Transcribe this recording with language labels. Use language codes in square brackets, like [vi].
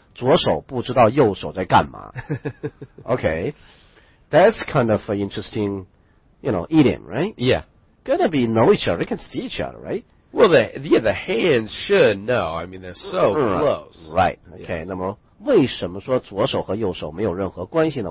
[zh] 左手不知道右手在干嘛。 [en] OKThat's kind of an interesting, you know, idiom, right? Yeah. Gonna be know each other. They can see each other, right? Well, the hands should know. I mean, they're so close. Right. Okay. Yeah. [zh] 那么为什么说左手和右手没有任何关系呢？